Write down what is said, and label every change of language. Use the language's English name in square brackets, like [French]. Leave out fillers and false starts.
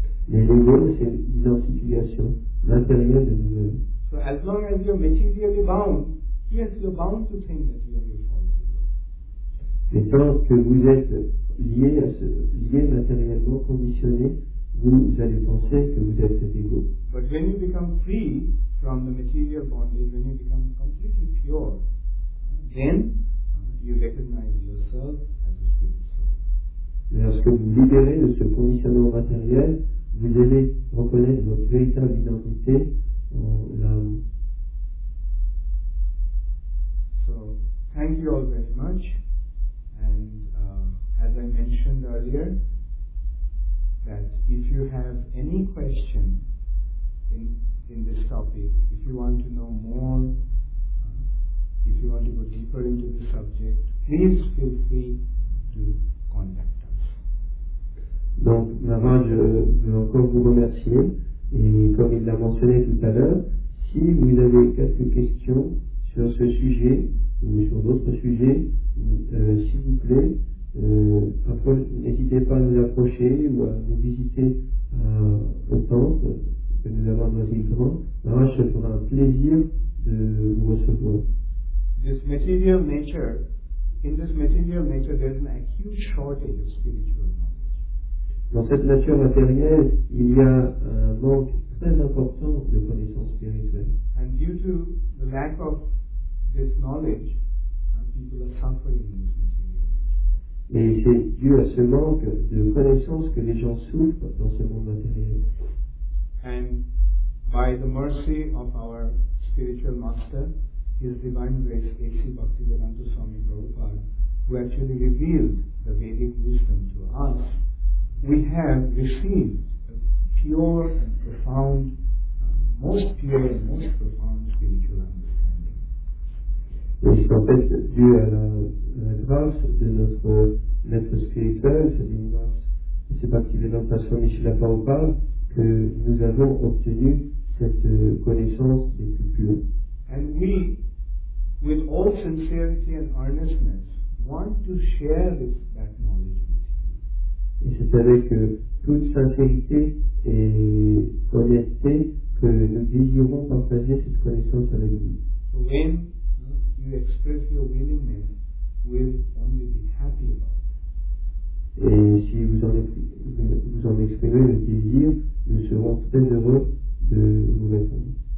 [French] Mais l'ego, c'est l'identification, l'intérieur de nous-mêmes. [English] So as long as you're materially bound, yes, you're bound to think that you are your false ego. [French] Mais tant que vous êtes lié matériellement, conditionné, vous allez penser que vous êtes cet ego. [English] But when you become free from the material bondage, when you become completely pure, then you recognize yourself as a spirit soul. [French] Lorsque vous libérez de ce conditionnement matériel, vous devez reconnaître votre véritable identité en l'âme. [English] So, thank you all very much. And as I mentioned earlier, that if you have any question in this topic, if you want to know more, if you want to go deeper into the subject, please feel free to contact. [French] Donc, Maharaj veut encore vous remercier, et comme il l'a mentionné tout à l'heure, si vous avez quelques questions sur ce sujet ou sur d'autres sujets, s'il vous plaît, n'hésitez pas à nous approcher ou à nous visiter au temple que nous avons à Noisy-le-Grand. Maharaj se fera un plaisir de vous recevoir. [English] In this material nature, there is an acute shortage of spiritual knowledge. [French] Dans cette nature matérielle, il y a un manque très important de connaissances spirituelles. [English] And due to the lack of this knowledge, people are suffering in this material. [French] Et c'est dû à ce manque de connaissances que les gens souffrent dans ce monde matériel. [English] And by the mercy of our spiritual master, his divine grace, A.C. Bhaktivedanta Swami Prabhupada, who actually revealed the Vedic wisdom to us, we have received a pure and profound, most pure and most profound spiritual understanding. [French] Et c'est en fait dû à la grâce de notre maître spirituel, c'est une grâce, je ne sais pas qui vient d'en passer, mais je ne l'ai pas ou pas, que nous avons obtenu cette connaissance des plus pures. [English] And we, with all sincerity and earnestness, want to share that knowledge. [French] Et c'est avec toute sincérité et honnêteté que nous désirons partager cette connaissance avec vous. [English] When you express your willingness, we'll only be happy about it. [French] Et si vous en exprimez le désir, nous serons très heureux de vous répondre.